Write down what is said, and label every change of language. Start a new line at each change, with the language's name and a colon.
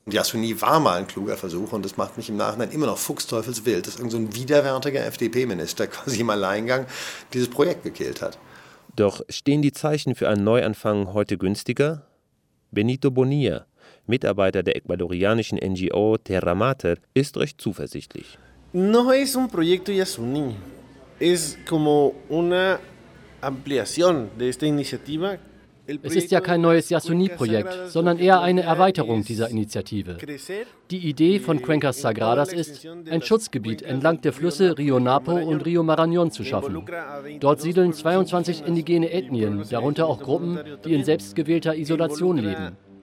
German: Yasuni war mal ein kluger Versuch und das macht mich im Nachhinein immer noch fuchsteufelswild, dass irgend so ein widerwärtiger FDP-Minister quasi im Alleingang dieses Projekt gekillt hat. Doch stehen die Zeichen für einen Neuanfang heute günstiger? Benito Bonilla, Mitarbeiter der ecuadorianischen NGO Terra Mater, ist recht zuversichtlich.
Spanish: No es un proyecto Yasuni. Es como una Ampliación de esta iniciativa.
German: Es ist ja kein neues Yasuni-Projekt, sondern eher eine Erweiterung dieser Initiative. Die Idee von Cuencas Sagradas ist, ein Schutzgebiet entlang der Flüsse Rio Napo und Rio Marañón zu schaffen. Dort siedeln 22 indigene Ethnien, darunter auch Gruppen, die in selbstgewählter Isolation leben.